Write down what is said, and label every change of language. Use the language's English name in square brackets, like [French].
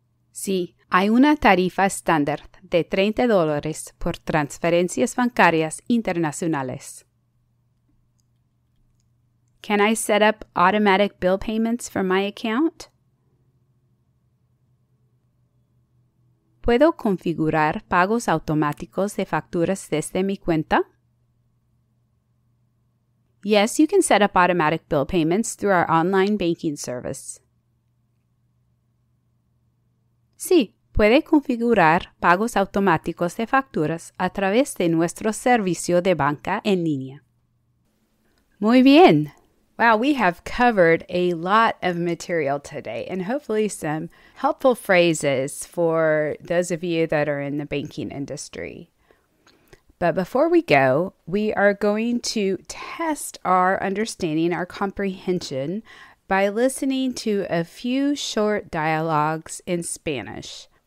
[Spanish] Sí, hay una tarifa estándar de $30 por transferencias bancarias internacionales. [English] Can I set up automatic bill payments for my account? [Spanish] ¿Puedo configurar pagos automáticos de facturas desde mi cuenta? [English] Yes, you can set up automatic bill payments through our online banking service. [Spanish] Sí, puede configurar pagos automáticos de facturas a través de nuestro servicio de banca en línea. Muy bien. [English] Wow, we have covered a lot of material today and hopefully some helpful phrases for those of you that are in the banking industry. But before we go, we are going to test our understanding, our comprehension, by listening to a few short dialogues in Spanish.